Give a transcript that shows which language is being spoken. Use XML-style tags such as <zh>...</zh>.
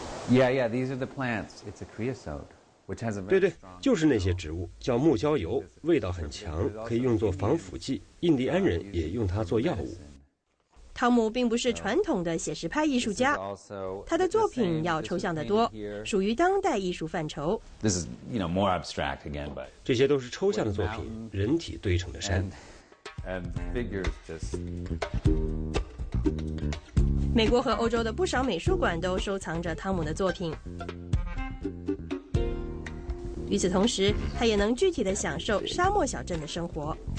<en>Yeah, these are the plants. It's a creosote, which has a very</en> <zh>对对，就是那些植物，叫木胶油，味道很强，可以用作防腐剂。印第安人也用它做药物。汤姆并不是传统的写实派艺术家，他的作品要抽象得多，属于当代艺术范畴。</zh> <en>This is, you know, more abstract again, but</en> <zh>这些都是抽象的作品，人体堆成的山。美国和欧洲的不少美术馆都收藏着汤姆的作品。与此同时，他也能具体地享受沙漠小镇的生活。</zh>